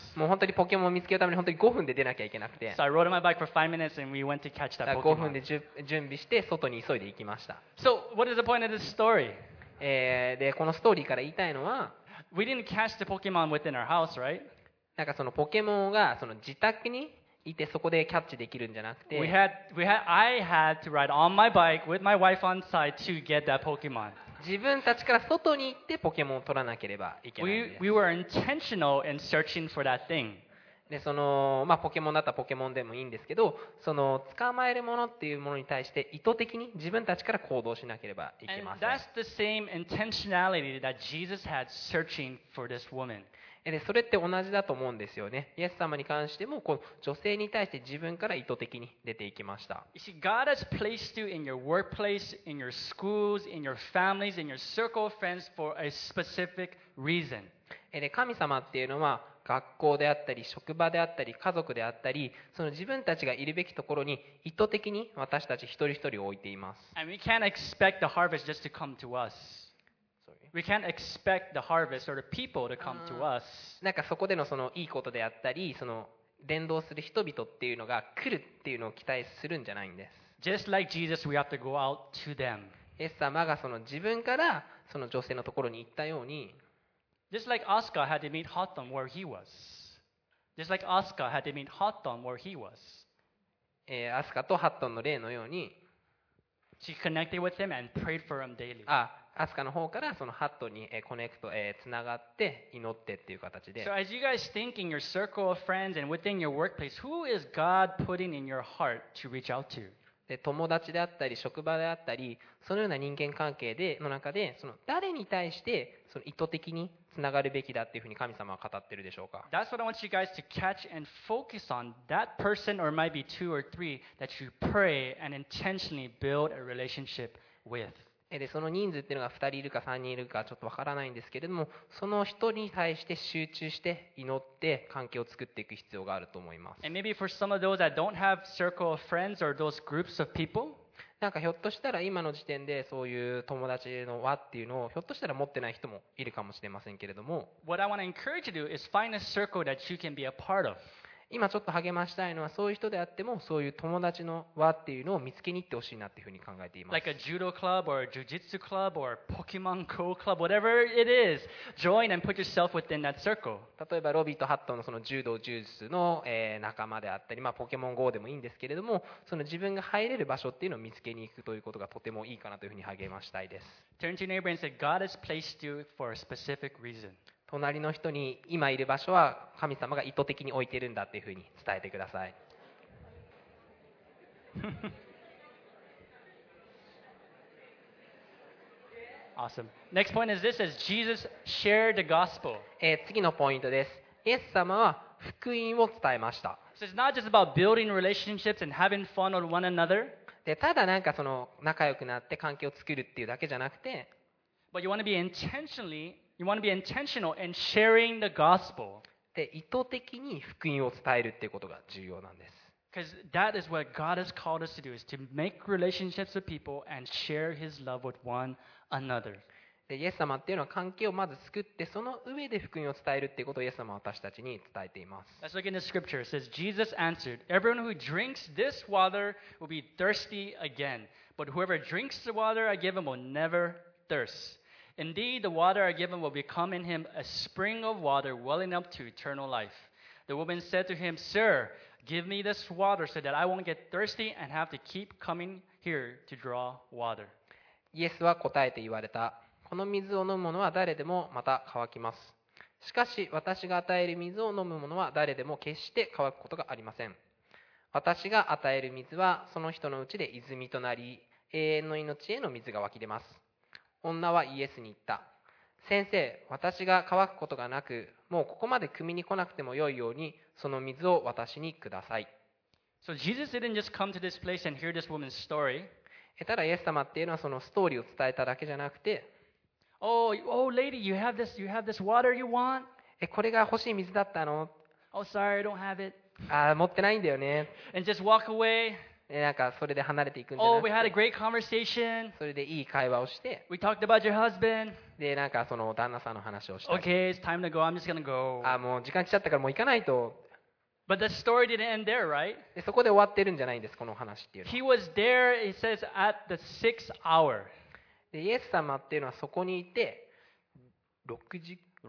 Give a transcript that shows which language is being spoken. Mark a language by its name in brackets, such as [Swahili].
[Japanese] もう本当にポケモンを見つけるために本当に5分で出なきゃいけなくて。 [English] So I rode my bike for five minutes, and we went to catch that Pokemon. [Japanese] 5分で準備して外に急いで行きました。 [English] So what is the point of this story? [Japanese] でこのストーリーから言いたいのは、 [English] We didn't catch the Pokemon within our house, right? [Japanese] なんかそのポケモンがその自宅にいてそこでキャッチできるんじゃなくて、 [English] I had to ride on my bike with my wife on side to get that Pokemon. [Japanese] 自分たちから外に行ってポケモンを取らなければいけないんです。 [English] We were intentional in searching for that thing. [Japanese] で、その、まあ、ポケモンだったらポケモンでもいいんですけど、その捕まえるものっていうものに対して意図的に自分たちから行動しなければいけません。 [English] And that's the same intentionality that Jesus had searching for this woman. [Japanese] で、それって同じだと思うんですよね。イエス様に関しても、この女性に対して自分から意図的に出ていきました。 [English] You see, God has placed you in your workplace, in your schools, in your families, in your circle of friends for a specific reason. [Japanese] で、神様っていうのは、学校であったり、職場であったり、家族であったり、その自分たちがいるべきところに意図的に私たち一人一人を置いています。 [English] And we can't expect the harvest just to come to us. We can't expect the harvest or the people to come to us. [Japanese] なんかそこでのそのいいことであったり、その伝道する人々っていうのが来るっていうのを期待するんじゃないんです。 [English] Just like Jesus, we have to go out to them. [Japanese] イエス様がその自分からその女性のところに行ったように、 [English] Just like Asuka had to meet Hotton where he was. Just like Asuka had to meet Hotton where he was. [Japanese] アスカとハットンの例のように、 [English] She connected with him and prayed for him daily. [Japanese] アスカの方からそのハットにコネクト、つながって祈ってっていう形で。 [English] So as you guys think in your circle of friends and within your workplace, who is God putting in your heart to reach out to? [Japanese] で、友達であったり職場であったり、そのような人間関係での中で、その誰に対してその意図的につながるべきだっていうふうに神様は語ってるでしょうか。 [English] That's what I want you guys to catch and focus on. That person or maybe two or three that you pray and intentionally build a relationship with. [Japanese] でその人数っていうのが2人いるか3人いるかちょっとわからないんですけれども、その人に対して集中して祈って関係を作っていく必要があると思います。 [English] And maybe for some of those that don't have circle of friends or those groups of people, [Japanese] なんかひょっとしたら今の時点でそういう友達の輪っていうのをひょっとしたら持ってない人もいるかもしれませんけれども、 [English] What I want to encourage you to do is find a circle that you can be a part of. [Japanese] 今ちょっと励ましたいのは、そういう人であってもそういう友達の輪っていうのを見つけに行ってほしいなっていうふうに考えています。 [English] Like a judo club or a jujitsu club or Pokemon Go club, whatever it is, join and put yourself within that circle. [Japanese] 例えばロビーとハットのその柔道柔術の仲間であったり、まあポケモン GO でもいいんですけれども、その自分が入れる場所っていうのを見つけに行くということがとてもいいかなというふうに励ましたいです。 [English] Turn to your neighbor and say, God has placed you for a specific reason. [Japanese] 隣の人に今いる場所は神様が意図的に置いてるんだっていうふうに伝えてください。 [English] Awesome. Next point is this, as Jesus shared the gospel. [Japanese] 次のポイントです。イエス様は福音を伝えました。 [English] So it's not just about building relationships and having fun with one another. [Japanese] でただなんかその仲良くなって関係を作るっていうだけじゃなくて、 [English] But you want to be intentionallyYou want to be intentional in sharing the gospel. [Japanese] で、意図的に福音を伝えるっていうことが重要なんです。 [English] Because that is what God has called us to do, is to make relationships with people and share His love with one another. [Japanese] で、イエス様っていうのは関係をまず作って、その上で福音を伝えるっていうことをイエス様は私たちに伝えています。 [English] Let's look in the scripture. It says, Jesus answered, "Everyone who drinks this water will be thirsty again, but whoever drinks the water I give him will never thirst." Indeed, the water I give him will become in him a spring of water welling up to eternal life. The woman said to him, Sir, give me this water so that I won't get thirsty and have to keep coming here to draw water. [Japanese] イエスは答えて言われた。この水を飲む者は誰でもまた乾きます。しかし、私が与える水を飲む者は誰でも決して乾くことがありません。私が与える水はその人のうちで泉となり、永遠の命への水が湧き出ます。女はイエスに言った。先生、私が乾くことがなく、もうここまで汲みに来なくてもよいように、その水を私にください。 [English] So Jesus didn't just come to this place and hear this woman's story. [Japanese] ただイエス様っていうのはそのストーリーを伝えただけじゃなくて、 [English] lady, you have this water you want? [Japanese] これが欲しい水だったの。 [English] Oh, sorry, I don't have it. [Japanese] 持ってないんだよね。 [English] And just walk away. [Japanese] なんかそれで離れていくんじゃなくて、 [English] Oh, we had a great conversation. [Japanese] それでいい会話をして、 [English] We talked about your husband. [Japanese] でなんかその旦那さんの話をした [English] り、 Okay, it's time to go. I'm just gonna go. [Japanese] もう時間来ちゃったからもう行かないと。 [English] But the story didn't end there, right? [Japanese] でそこで終わってるんじゃないんです、この話っていうの [English] は。 He was there, it says, at the sixth hour. [Japanese] でイエス様っていうのはそこにいて、6時間